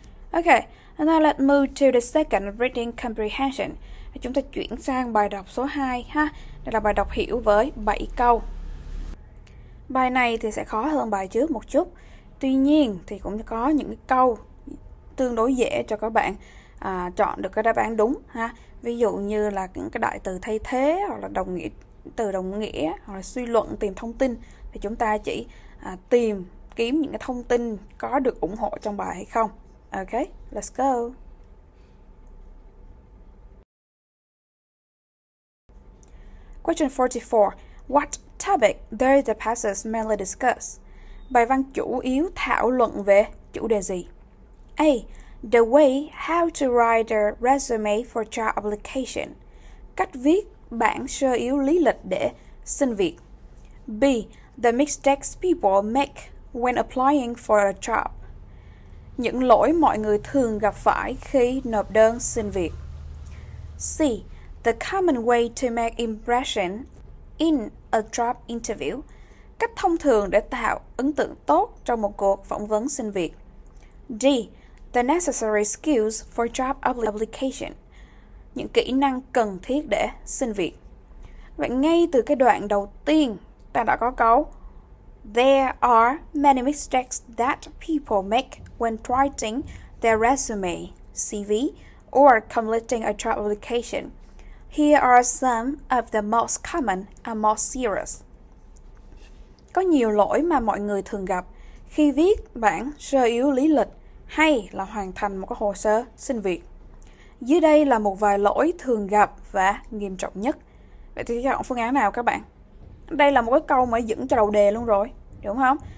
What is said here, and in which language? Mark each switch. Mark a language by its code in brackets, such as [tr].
[en] Okay, now let's move to the second reading comprehension. [vi] Chúng ta chuyển sang bài đọc số 2 ha. Đây là bài đọc hiểu với 7 câu. Bài này thì sẽ khó hơn bài trước một chút. Tuy nhiên thì cũng có những câu tương đối dễ cho các bạn chọn được cái đáp án đúng ha. Ví dụ như là những cái đại từ thay thế hoặc là đồng nghĩa, từ đồng nghĩa hoặc là suy luận tìm thông tin thì chúng ta chỉ tìm kiếm những cái thông tin có được ủng hộ trong bài hay không. [en] Okay, let's go. Question 44. What topic does the passage mainly discuss? [vi] Bài văn chủ yếu thảo luận về chủ đề gì? A. [en] The way how to write a resume for job application. [vi] Cách viết bản sơ yếu lý lịch để xin việc. B. [en] The mistakes people make when applying for a job. [vi] Những lỗi mọi người thường gặp phải khi nộp đơn xin việc. C. [en] The common way to make impression in a job interview. [vi] Cách thông thường để tạo ấn tượng tốt trong một cuộc phỏng vấn xin việc. D. [en] The necessary skills for job application. [vi] Những kỹ năng cần thiết để xin việc. Vậy ngay từ cái đoạn đầu tiên, ta đã có câu [en] There are many mistakes that people make when writing their resume, CV, or completing a job application. Here are some of the most common and most serious. [vi] Có nhiều lỗi mà mọi người thường gặp khi viết bản sơ yếu lý lịch hay là hoàn thành một cái hồ sơ xin việc. Dưới đây là một vài lỗi thường gặp và nghiêm trọng nhất. Vậy thì chọn phương án nào các bạn? Đây là một cái câu mà dẫn cho đầu đề luôn rồi, đúng không?